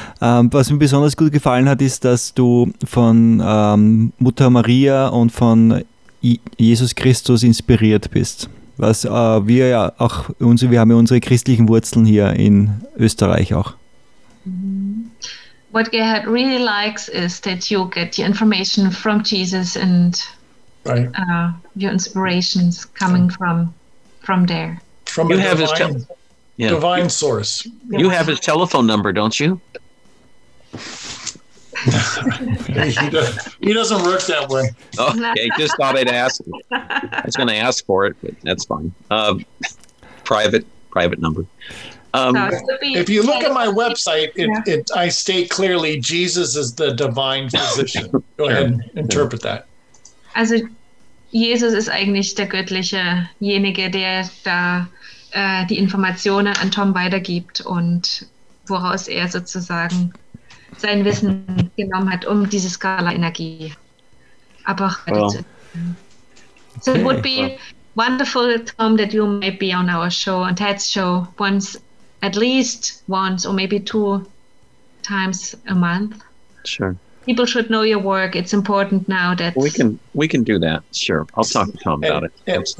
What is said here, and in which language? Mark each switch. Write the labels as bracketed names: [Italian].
[German] Was mir besonders gut gefallen hat, ist, dass du von Mutter Maria und von Jesus Christus inspiriert bist. Was wir ja auch, wir haben ja unsere christlichen Wurzeln hier in Österreich auch. [English] What Gerhard really likes is that you get your information from Jesus and your inspirations coming from there. From you a have divine, divine source. You have his telephone number, don't you? He doesn't work that way. Okay, just thought I'd ask. I was going to ask for it, but that's fine. Private number. If you look at my website, I state clearly Jesus is the divine physician. Go ahead and interpret that. [German] Also, Jesus ist eigentlich der göttliche jenige, der da die Informationen an Tom weitergibt und woraus er sozusagen sein Wissen genommen hat, um diese Skala-Energie aber weiterzuentwickeln. [English] So it would be wonderful, Tom, that you may be on our show, on Ted's show, once, at least once or maybe two times a month. Sure. People should know your work. It's important now that we can do that. Sure. I'll talk to Tom about it.